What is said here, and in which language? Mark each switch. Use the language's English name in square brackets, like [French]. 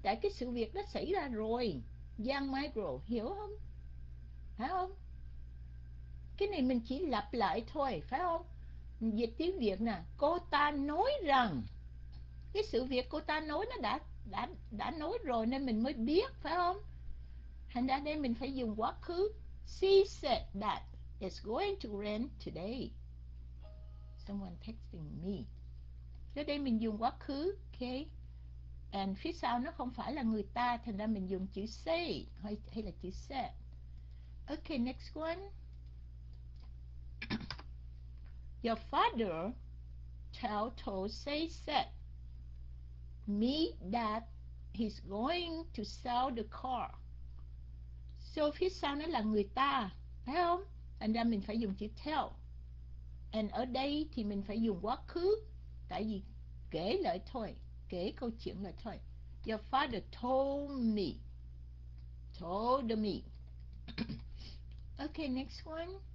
[Vietnamese] Tại cái sự việc đã xảy ra rồi. Young micro hiểu không? Phải không? Cái này mình chỉ lặp lại thôi phải không? Dịch tiếng Việt nè. Cô ta nói rằng cái sự việc cô ta nói nó đã nói rồi nên mình mới biết phải không? Thành ra đây mình phải dùng quá khứ. [English] She said that it's going to rain today. Someone texting me. [Vietnamese] Ở đây mình dùng quá khứ, okay? And phía sau nó không phải là người ta, thành ra mình dùng chữ say hay là chữ said. [English] Okay, next one. Your father told say said me that he's going to sell the car. [Vietnamese] So phía sau nó là người ta, phải không? Thành ra mình phải dùng chữ tell. And ở đây thì mình phải dùng quá khứ, tại vì kể lại thôi, kể câu chuyện lại thôi. [English] Your father told me. Okay, next one.